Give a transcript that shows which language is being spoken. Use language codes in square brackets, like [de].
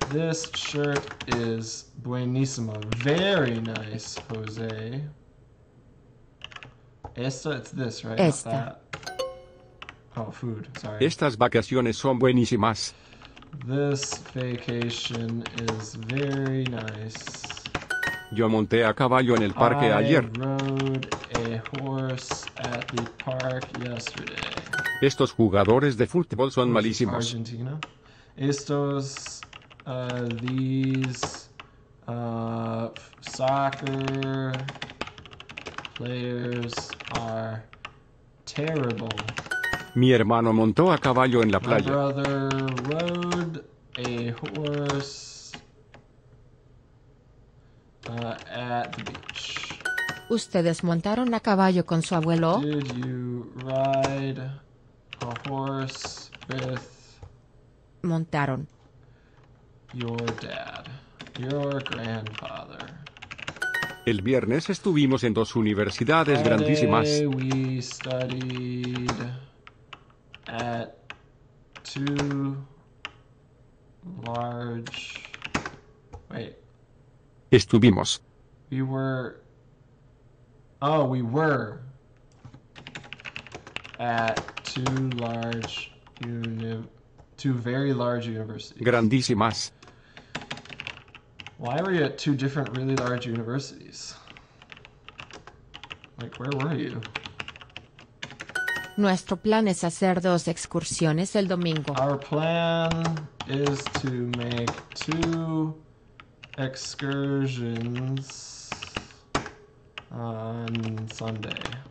[en] This shirt is buenísima. Very nice, José. Esta, it's this, right? [es] Esta. [en] Oh, food. Sorry. [es] Estas vacaciones son buenísimas. [en] This vacation is very nice. [es] Yo monté a caballo en el parque ayer. [en] I rode a horse at the park yesterday. [es] Estos jugadores de fútbol son malísimos. [en] Argentina. Estos, these, soccer players are terrible. [es] Mi hermano montó a caballo en la playa. [en] My brother rode a horse at the beach. [es] ¿Ustedes montaron a caballo con su abuelo? [en] Did you ride a horse with... [es] Montaron. [en] Your dad. Your grandfather. [es] El viernes estuvimos en dos universidades grandísimas. [en] Friday we studied... At two large... Wait. [es] Estuvimos. [en] We were... Oh, we were. At two large... Two very large universities. [es] Grandísimas. [en] Why were you at two different really large universities? Like, where were you? [es] Nuestro plan es hacer dos excursiones el domingo. [en] Our plan is to make two excursions on Sunday.